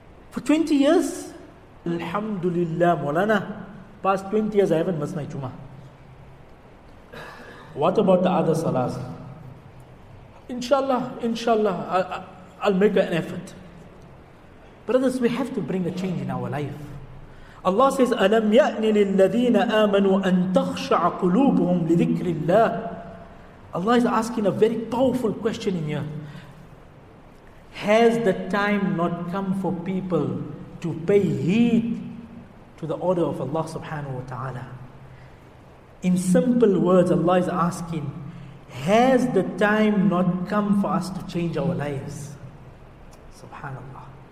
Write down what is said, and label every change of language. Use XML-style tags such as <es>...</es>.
<en>For 20 years? Alhamdulillah, Mawlana. Past 20 years I haven't missed my Jummah. What about the other salahs? Inshallah, I'll make an effort. Brothers, we have to bring a change in our life.</en> <ar>Allah says, أَلَمْ يَأْنِ لِلَّذِينَ آمَنُوا أَن تَخْشَعَ قُلُوبُهُمْ لِذِكْرِ اللَّهِ.</ar> <en>Allah is asking a very powerful question in here. Has the time not come for people to pay heed to the order of Allah subhanahu wa ta'ala? In simple words, Allah is asking, has the time not come for us to change our lives? Subhanallah.</en>